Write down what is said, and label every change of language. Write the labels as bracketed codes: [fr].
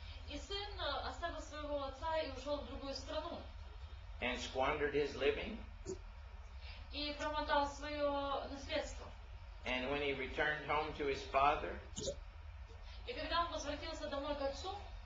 [ru] И сын оставил своего отца и ушел в другую страну. [en] And squandered his living. [ru] И промотал свое наследство. [en] And when he returned home to his father, [ru] и когда он возвратился домой к отцу,